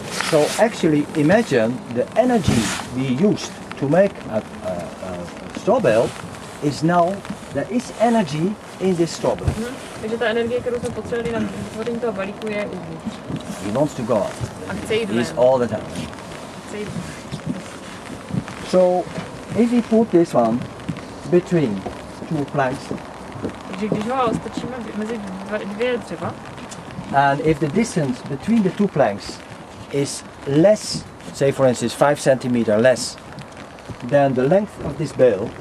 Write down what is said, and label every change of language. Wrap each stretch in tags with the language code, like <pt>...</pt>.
<en>So actually imagine the energy we used to make straw bale is now, there is energy in this straw bale. Mm-hmm.</en> <cs>Takže ta energie, kterou jsme potřebovali na vytvoření toho balíku, je uvnitř.</cs> <en>He wants to go out.</en> <cs>A chce jít ven.</cs> <en>He's all the time.</en> <cs>Chce jít ven.</cs> <en>So, if we put this one between two planks.</en> <cs>Takže když ho stačíme mezi dvě dřeva.</cs> <en>And if the distance between the two planks is less, say for instance 5 cm less, then the length of this bale.</en>